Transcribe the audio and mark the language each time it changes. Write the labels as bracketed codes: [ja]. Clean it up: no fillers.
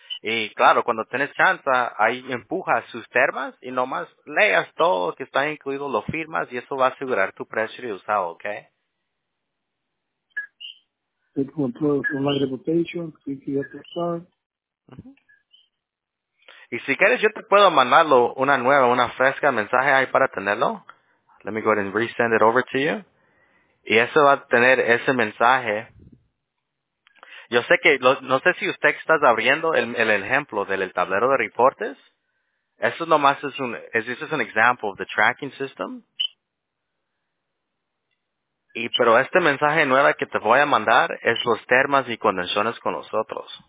[es] Y claro, cuando tienes chance, ahí empujas sus termas y nomás leas todo lo que está incluido, lo firmas y eso va a asegurar tu precio de usado, ¿ok? Uh-huh. Y si quieres, yo te puedo mandarlo una nueva, una fresca mensaje ahí para tenerlo. [en] Let me go ahead and resend it over to you. [es] Y eso va a tener ese mensaje. Yo sé que, no sé si usted está abriendo el ejemplo del el tablero de reportes. Eso nomás es un, [en] this is an example of the tracking system. [es] Y, pero este mensaje nuevo que te voy a mandar es los termas y condiciones con nosotros.